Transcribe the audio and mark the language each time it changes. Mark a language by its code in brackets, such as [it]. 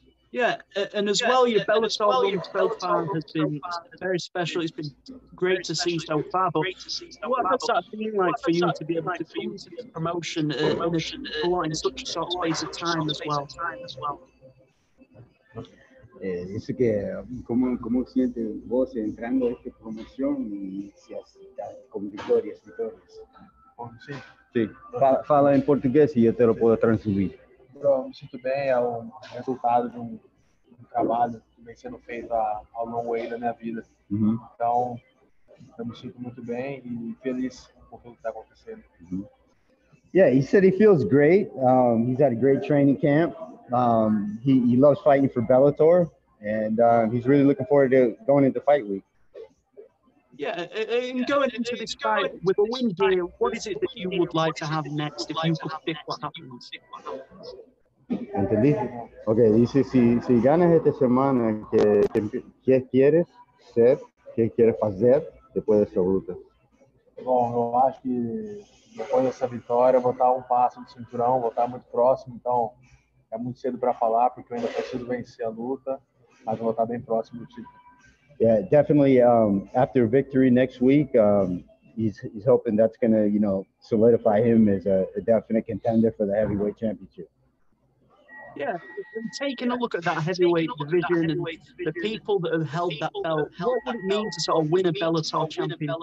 [en] Yeah, and as well, your Bellator win so far has been very special. It's been great to see so far. But what's that feeling like for you to be able to come to this promotion in such a short space of time as well? [es] Dice que cómo sientes vos entrando a esta promoción y si has con victorias, victorias. Sí. Fala en portugués y yo te lo puedo traducir. [pt] Bro, [es] me siento bien, es un resultado de un trabajo [pt] que vem sendo feito a longo aí da minha vida. Então, eu me sinto muito bem e feliz por tudo que está acontecendo. [en] Yeah, he said he feels great. He's had a great training camp. He loves fighting for Bellator, and he's really looking forward to going into fight week. Yeah, and going into this fight with a win here, what is it that you would like to have next if you could pick what happens? [es] Entendí. Okay, dice, si ganas esta semana, ¿qué quieres ser? ¿Qué quieres hacer después de esta lucha? [pt] Bom, eu acho que depois dessa vitória eu vou estar um passo do cinturão, vou estar muito próximo, então é muito cedo para falar, porque eu ainda preciso vencer a luta, mas eu vou estar bem próximo do título. [en] Yeah, definitely after victory next week, he's hoping that's going to, you know, solidify him as a definite contender for the heavyweight championship. Yeah, and taking a look at that heavyweight division and the people that have held that belt, what would it mean to sort of win a Bellator championship?